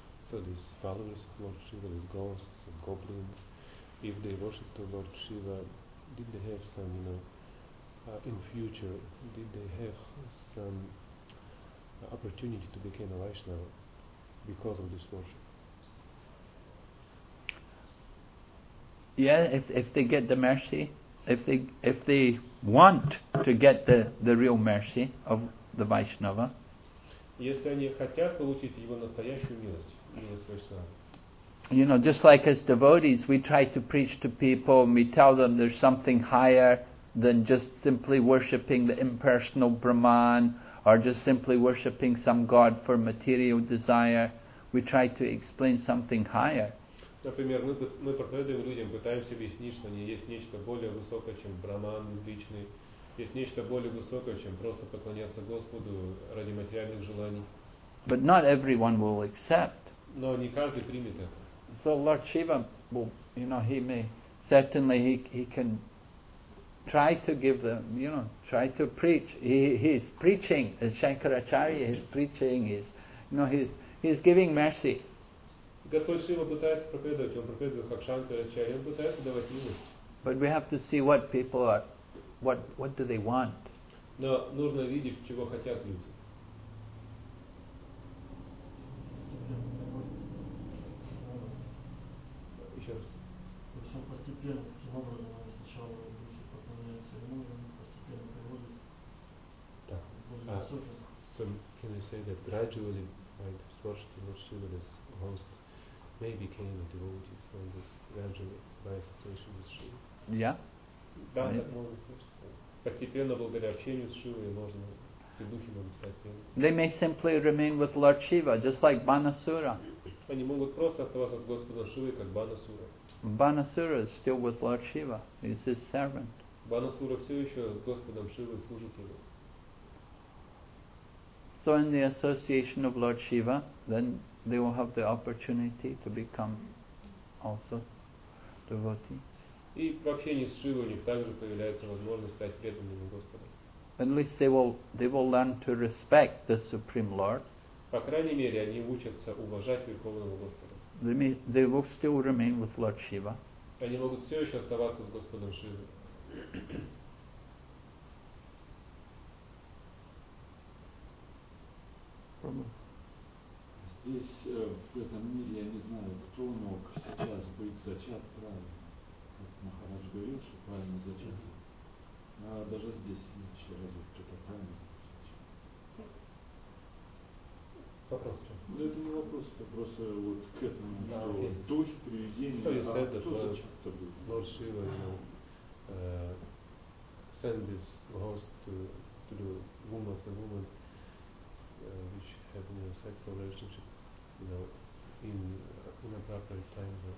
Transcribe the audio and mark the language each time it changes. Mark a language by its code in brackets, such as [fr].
[en] So these followers of Lord Shiva, these ghosts and goblins, if they worship to Lord Shiva, did they have some, you know, in future, did they have some opportunity to become a Vaishnava because of this worship? Yeah, if they get the mercy, if they want to get the real mercy of the Vaishnava. [ru] Если они хотят получить его настоящую милость, милость Вайшнава. [en] You know, just like as devotees, we try to preach to people, and we tell them there's something higher than just simply worshipping the impersonal Brahman, or just simply worshipping some god for material desire. We try to explain something higher. [ru] Например, мы проповедуем людям, пытаемся объяснить, что есть нечто более высокое, чем Брахман безличный. Есть нечто более высокое, чем просто поклоняться Господу ради материальных желаний. [en] But not everyone will accept. [ru] Но не каждый примет это. [en] So Lord Shiva, well, you know, he may certainly he can try to give them, you know, try to preach. He's preaching. Shankaracharya is preaching. He's giving mercy. [ru] Господь Шива пытается проповедовать, он проповедует как Шанкарачарья, он пытается давать милость. [en] But we have to see what people are. What do they want? [ru] Но нужно видеть, чего хотят люди. Еще раз. Причем постепенно, таким образом, они сначала поклоняются ему, постепенно приводят. Да. [en] So can I say that gradually, right, Сварши Лакшмана, this host, they became a devotee, so this gradually by association with Шива. Yeah. [ru] Да, так можно сказать. Постепенно, благодаря общению с Шивой, можно и духи могут стать первыми. [en] They may simply remain with Lord Shiva, just like Banasura. [ru] Они могут просто оставаться с Господом Шивой, как Банасура. [en] Banasura is still with Lord Shiva. He's his servant. [ru] Банасура все еще с Господом Шивой служит ему. [en] So in the association of Lord Shiva, then they will have the opportunity to become also devotee. [ru] И в общении с Шивой у них также появляется возможность стать преданными Господу. [en] At least they will learn to respect the Supreme Lord. [ru] По крайней мере, они учатся уважать Верховного Господа. [en] They will still remain with Lord Shiva. [ru] Они могут все еще оставаться с Господом Шивой. Здесь, в этом мире, я не знаю, кто мог сейчас быть зачат правильно. Махарадж говорил, что правильно зачем. А даже здесь еще раз кто-то правильно зачем. Вопрос в чем? Ну это не вопрос, это просто вот к этому слову. Дух привидения. [en] So you said that Lord Shiva will send this host to the womb of the woman which have a sexual relationship, you know, in a proper time.